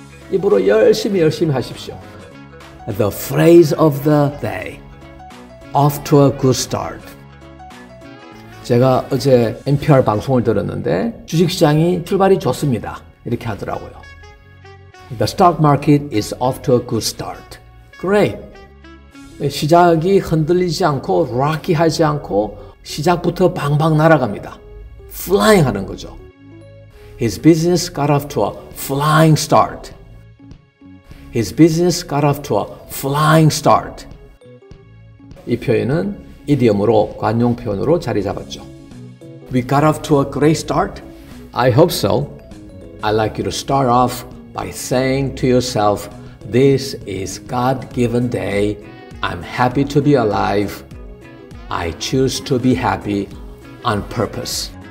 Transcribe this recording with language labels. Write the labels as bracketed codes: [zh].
[ko] 입으로 열심히 열심히 하십시오. [en] The phrase of the day. Off to a good start. [ko] 제가 어제 NPR 방송을 들었는데 주식시장이 출발이 좋습니다. 이렇게 하더라고요. [en] The stock market is off to a good start. Great. [ko] 시작이 흔들리지 않고 rocky 하지 않고 시작부터 방방 날아갑니다. Flying 하는 거죠. [en] His business got off to a flying start. His business got off to a flying start. [ko] 이 표현은 이디엄으로 관용 표현으로 자리 잡았죠. [en] We got off to a great start? I hope so. I'd like you to start off by saying to yourself, this is God-given day. I'm happy to be alive. I choose to be happy on purpose.